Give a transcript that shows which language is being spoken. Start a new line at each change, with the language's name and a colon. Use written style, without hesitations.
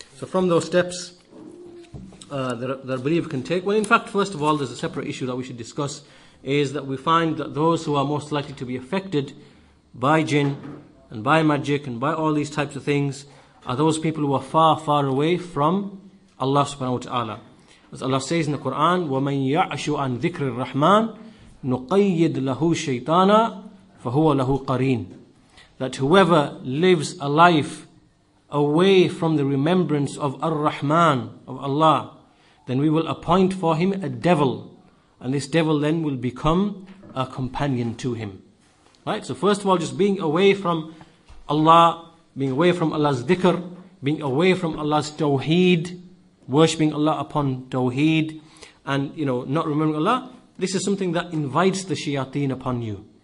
English: So from those steps, that a believer can take. Well, in fact, first of all, there's a separate issue that we should discuss, is that we find that those who are most likely to be affected by jinn and by magic and by all these types of things are those people who are far, far away from Allah subhanahu wa ta'ala. As Allah says in the Quran,
Arabic: وَمَنْ يَعْشُ عَنْ ذِكْرِ الرَّحْمَانِ نُقَيِّدْ لَهُ شَيْطَانًا فَهُوَ لَهُ قَرِينٌ.
English: That whoever lives a life away from the remembrance of Ar-Rahman, of Allah, then we will appoint for him a devil, and this devil then will become a companion to him. Right? So first of all, just being away from Allah, being away from Allah's dhikr, being away from Allah's tawheed, worshipping Allah upon tawheed, and you know, not remembering Allah, this is something that invites the shayateen upon you.